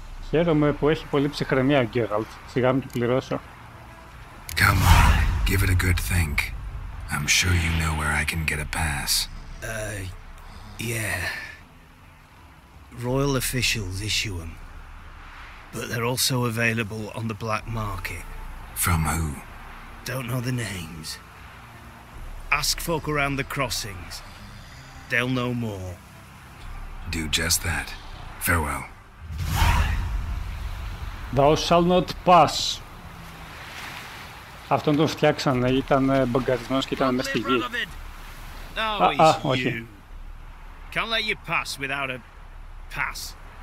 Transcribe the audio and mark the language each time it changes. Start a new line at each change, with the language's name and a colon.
Greek: Χαίρομαι που έχει πολύ ψυχραιμία ο Γκέραλτ. Σιγά μην το πληρώσω.
English: Come on, give it a good think. I'm sure you know where I can get a pass. Yeah. Royal officials issue them. But they're also available on the black market. From who? Don't know the names. Ask folk around the crossings. They'll know more. Do just that. Farewell. Thou shalt not pass.
Greek: Αυτόν τον φτιάξανε, ήταν μπαγκαρισμένος και ήταν μέσα στη γη. Α, όχι.
English: Can't let you pass without a pass.